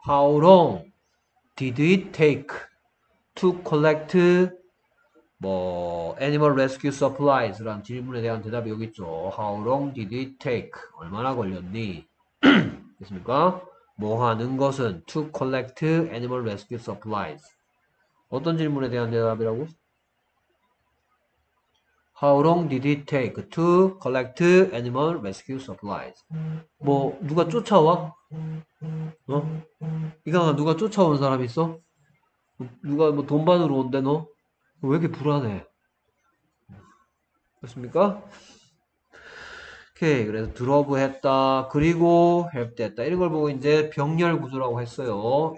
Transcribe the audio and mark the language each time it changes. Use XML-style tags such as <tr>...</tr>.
<en>How long did it take to collect 뭐 animal rescue supplies라는</en> <ko>질문에 대한 대답이 여기 있죠.</ko> <en>How long did it take?</en> <ko>얼마나 걸렸니? 됐습니까? 뭐 하는 것은</ko> <en>to collect animal rescue supplies.</en> <ko>어떤 질문에 대한 대답이라고?</ko> <en>How long did it take to collect animal rescue supplies?</en> <ko>뭐 누가 쫓아와? 어? 이강아 누가 쫓아온 사람 있어? 누가 뭐돈 받으러 온대 너? 왜 이렇게 불안해? 그렇습니까? 오케이 그래서 드롭 했다 그리고 헬프 했다 이런 걸 보고 이제 병렬 구조라고 했어요.</ko>